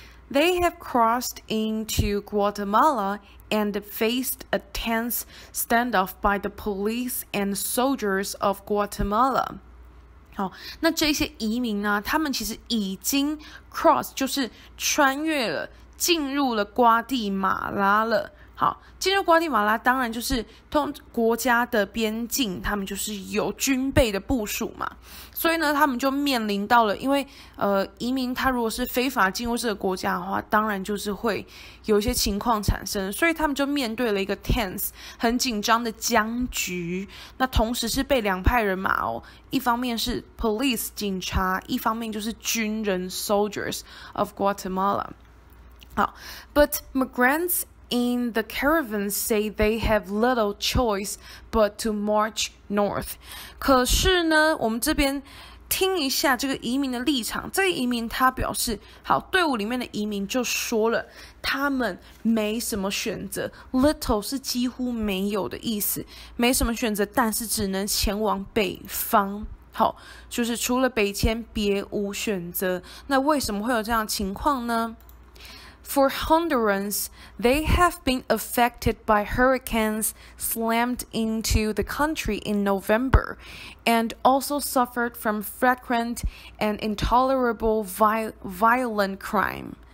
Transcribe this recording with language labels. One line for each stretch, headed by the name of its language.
English: They have crossed into Guatemala and faced a tense standoff by the police and soldiers of Guatemala.
Chinese: 好，那这些移民呢，他们其实已经 cross， 就是穿越了，进入了瓜地马拉了。好，进入瓜地马拉当然就是通国家的边境，他们就是有军备的部署嘛，所以呢他们就面临到了，因为移民他如果是非法进入这个国家的话，当然就是会有一些情况产生，所以他们就面对了一个 tense 很紧张的僵局。那同时是被两派人马哦，一方面是 police 警察，一方面就是军人 soldiers of Guatemala。
English: 好， but migrantsIn the caravan say they have little choice but to march north.
Chinese: 可是呢，我们这边听一下这个移民的立场。这个移民他表示，好，队伍里面的移民就说了，他们没什么选择。 Little 是几乎没有的意思，没什么选择，但是只能前往北方。好，就是除了北迁别无选择。那为什么会有这样的情况呢？
English: For Hondurans, they have been affected by hurricanes slammed into the country in November, and also suffered from frequent and intolerable violent crime.